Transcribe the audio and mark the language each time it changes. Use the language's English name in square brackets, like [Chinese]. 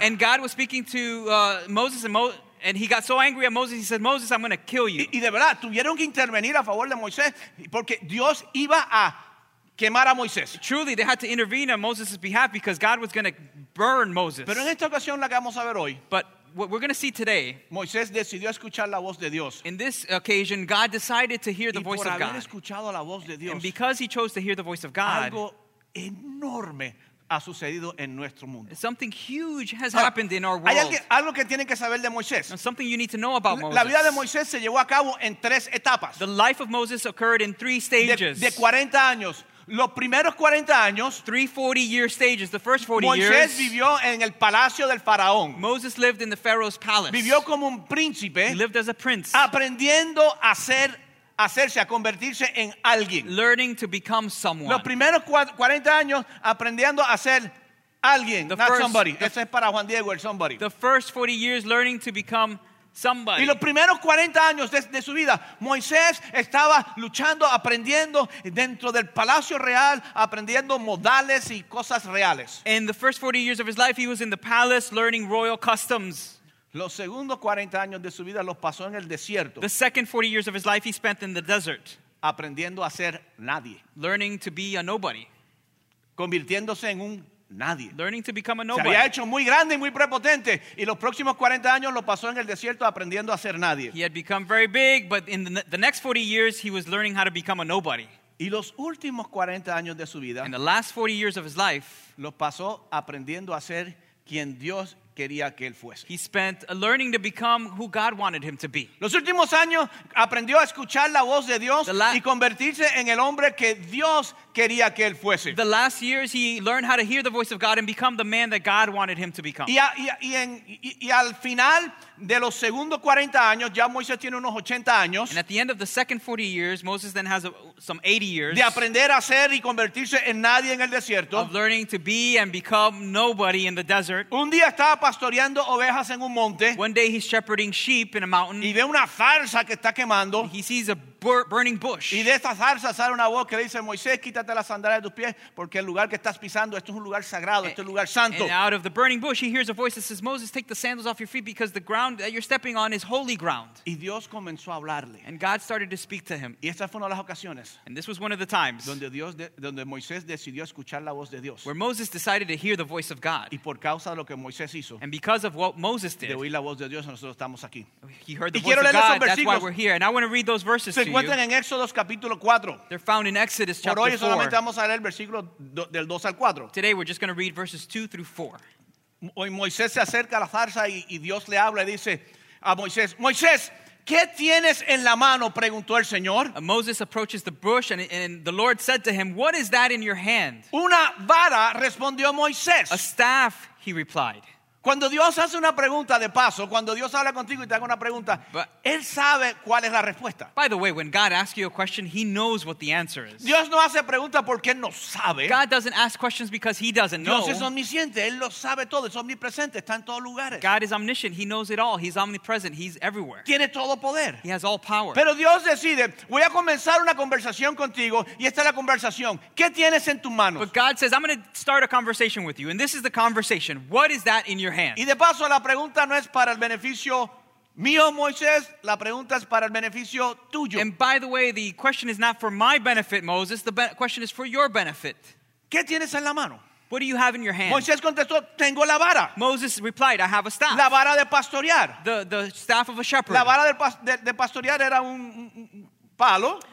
[English] And God was speaking to Moses and he got so angry at Moses, he said, Moses, I'm going to kill you. [Spanish] Y de verdad, tuvieron que intervenir a favor de Moisés porque Dios iba a quemar a Moisés. [English] Truly, they had to intervene on Moses' behalf because God was going to burn Moses. [Spanish] Pero en esta ocasión, la que vamos a ver hoy, [English] but what we're going to see today, [Spanish] Moisés decidió escuchar la voz de Dios. [English] In this occasion, God decided to hear the [Spanish] y [English] voice [Spanish] por [English] of [Spanish] haber [English] God. [Spanish] Escuchado la voz de Dios, [English] and because he chose to hear the voice of God, [Spanish] algo enorme ha sucedido en nuestro mundo. [English] Something huge has happened in our world. [Spanish] Hay algo que tienen que saber de Moisés. [English] Something you need to know about Moses. [Spanish] La vida de Moisés se llevó a cabo en tres etapas. [English] The life of Moses occurred in three stages. [Spanish] De 40 años. Los primeros 40 años, [English] 340 year stages, the first 40 [Spanish] Moisés [English] years, [Spanish] vivió en el palacio del faraón. [English] Moses lived in the Pharaoh's palace. [Spanish] Vivió como un príncipe. [English] He lived as a prince. [Spanish] Aprendiendo a ser hacerse, a convertirse en alguien. [English] Learning to become someone. [Spanish] Los primeros 40 años aprendiendo a ser alguien, [English] the not first, [Spanish] somebody. Ese es para Juan Diego, el somebody. [English] The first 40 years learning to become somebody. [Spanish] Y los primeros 40 años de su vida, Moisés estaba luchando, aprendiendo dentro del palacio real, aprendiendo modales y cosas reales. [English] In the first 40 years of his life, he was in the palace learning royal customs. [Spanish] Los segundos 40 años de su vida los pasó en el desierto. [English] The second 40 years of his life he spent in the desert. [Spanish] Aprendiendo a ser nadie. [English] Learning to be a nobody. [Spanish] Convirtiéndose en un nadie. [English] Learning to become a nobody. [Spanish] Se había hecho muy grande y muy prepotente y los próximos 40 años lo pasó en el desierto aprendiendo a ser nadie. [English] He had become very big, but in the next 40 years he was learning how to become a nobody. [Spanish] Y los últimos 40 años de su vida, [English] and the last 40 years of his life, [Spanish] lo pasó aprendiendo a ser quien Dios quería que él fuese. [English] He spent learning to become who God wanted him to be. [Spanish] Los últimos años aprendió a escuchar la voz de Dios y convertirse en el hombre que Dios quería que él fuese. [English] The last years he learned how to hear the voice of God and become the man that God wanted him to become. [Spanish] Y al final de los segundos 40 años, ya Moisés tiene unos 80 años. [English] And at the end of the second 40 years, Moses then has some 80 years. [Spanish] De aprender a ser y convertirse en nadie en el desierto. [English] Of learning to be and become nobody in the desert. [Spanish] Un día estaba pastoreando ovejas en un monte. [English] One day he's shepherding sheep in a mountain. [Spanish] Y ve una zarza que está quemando. [English] He sees a burning bush. [Spanish] Y de esta zarza sale una voz que dice, Moisés, quítate las sandalias de tus pies, porque el lugar que estás pisando, esto es un lugar sagrado, esto es un lugar santo. [English] And out of the burning bush, he hears a voice that says, Moses, take the sandals off your feet, because the ground that you're stepping on is holy ground. [Spanish] Y Dios comenzó a hablarle. [English] And God started to speak to him. [Spanish] Y esta fue una de las ocasiones. [English] And this was one of the times. [Spanish] Donde Moisés decidió escuchar la voz de Dios. [English] Where Moses decided to hear the voice of God. [Spanish] Y por causa de lo que Moisés hizo. [English] And because of what Moses did. [Spanish] De oír la voz de Dios, nosotros estamos aquí. [English] He heard the voice of God. That's why we're here. And I want to read those verses to you. [Spanish] Se encuentran en Éxodo capítulo 4. [English] They're found in Exodus chapter [Spanish] 4. Por hoy solamente vamos a leer el versículo del 2 al 4. [English] Today we're just going to read verses 2 through 4. [Spanish] Hoy Moisés se acerca a la zarza y Dios le habla y dice a Moisés, Moisés, ¿qué tienes en la mano? Preguntó el Señor. [English] Moses approaches the bush and the Lord said to him, what is that in your hand? [Spanish] Una vara, respondió Moisés. [English] A staff, he replied. [Spanish] Cuando Dios hace una pregunta de paso, cuando Dios habla contigo y te haga una pregunta, but, Él sabe cuál es la respuesta. [English] By the way, when God asks you a question, He knows what the answer is. [Spanish] Dios no hace preguntas porque Él no sabe. [English] God doesn't ask questions because He doesn't know. [Spanish] Dios es omnisciente, Él lo sabe todo, es omnipresente, está en todos lugares. [English] God is omniscient, He knows it all, He's omnipresent, He's everywhere. [Spanish] Tiene todo poder. [English] He has all power. [Spanish] Pero Dios decide, voy a comenzar una conversación contigo y esta es la conversación. ¿Qué tienes en tus manos? [English] But God says, I'm going to start a conversation with you and this is the conversation. What is that in your hand? [Spanish] Y de paso la pregunta no es para el beneficio mío, Moisés, la pregunta es para el beneficio tuyo. [English] And by the way, the question is not for my benefit, Moses, the question is for your benefit. [Spanish] ¿Qué tienes en la mano? [English] What do you have in your hand? [Spanish] Moisés contestó, tengo la vara. [English] Moses replied, I have a staff. [Spanish] La vara de pastorear. [English] The staff of a shepherd. [Spanish] La vara de pastorear era un palo,